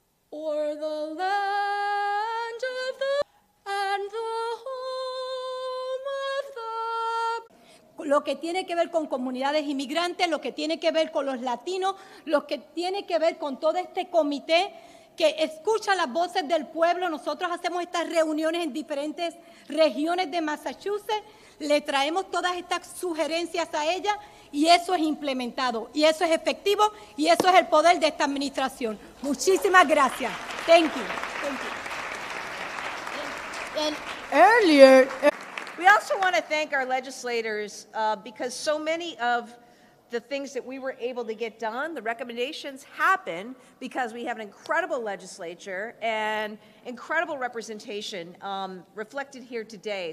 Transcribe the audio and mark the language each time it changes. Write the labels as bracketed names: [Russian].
[Spanish] or the land of the and the home of the lo que tiene que ver con comunidades inmigrantes, lo que tiene que ver con los latinos, lo que tiene que ver con todo este comité que escucha las voces del pueblo. Nosotros hacemos estas reuniones en diferentes regiones de Massachusetts, le traemos todas estas sugerencias a ella y eso es implementado, y eso es efectivo, y eso es el poder de esta administración. Muchísimas gracias. [English] Thank you. And earlier, we also want to thank our legislators because so many of the things that we were able to get done, the recommendations happen because we have an incredible legislature and incredible representation reflected here today.